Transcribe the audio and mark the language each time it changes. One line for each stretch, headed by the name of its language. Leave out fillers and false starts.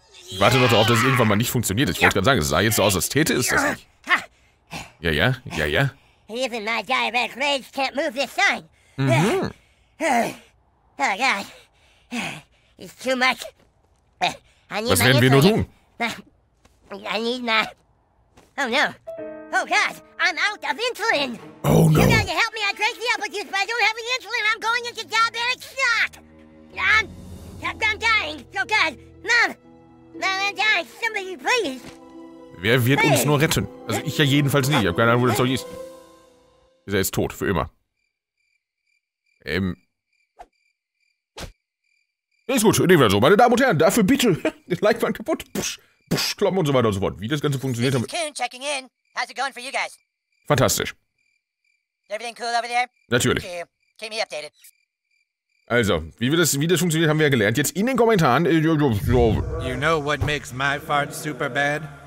German: Ich warte noch darauf, dass es irgendwann mal nicht funktioniert. Ich wollte gerade sagen, es sah jetzt so aus, als täte es das nicht. Ja.
English: Even my Diabetic Rage can't move this sign. Oh God. It's too much.
German: Was werden wir nur tun?
English: I need my... Oh no. Oh God, I'm out of insulin. Oh no. You gotta help me, I drank the apple juice, but I don't have any insulin. I'm going into diabetic shock. I'm dying. Oh God. Mom, I'm dying. Somebody, please.
German: Wer wird uns nur retten? Also ich ja jedenfalls nicht. Ich hab keine Ahnung, wo das Zeug ist. Er ist tot, für immer. Ist gut, nehmen wir so. Meine Damen und Herren, dafür bitte. Das Like war kaputt. Psch, kloppen und so weiter und so fort. Wie das Ganze funktioniert
English: hat. Coon checking in. How's it going for you guys?
German: Fantastisch.
English: Is everything cool over there?
German: Natürlich.
English: Okay. Keep me updated.
German: Also, wie das funktioniert, haben wir ja gelernt. Jetzt in den Kommentaren.
English: You know what makes my fart super bad?